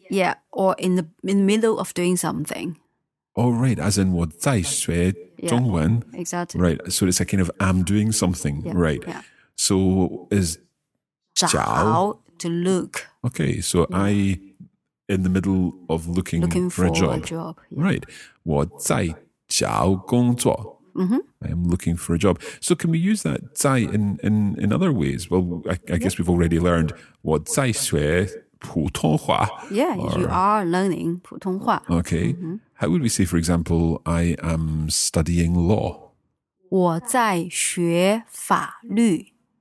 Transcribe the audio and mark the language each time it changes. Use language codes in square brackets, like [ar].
[en] Yeah, or in the middle of doing something. Oh, right, as in [zh] 我在学中文。 [en] Yeah, exactly. Right, so it's a kind of I'm doing something, yeah, right. Yeah. So is 找 to look. Okay, so yeah. I, in the middle of looking for a job. Yeah. [zh] Right, 我在找工作。 Mm-hmm. [en] I am looking for a job. So can we use that 在 in other ways? Well, I guess we've already learned [zh] 我在学普通话。 [en] Yeah, or, you are learning 普通话。 Okay. Mm-hmm. How would we say, for example, I am studying law? [zh] 我在学法律。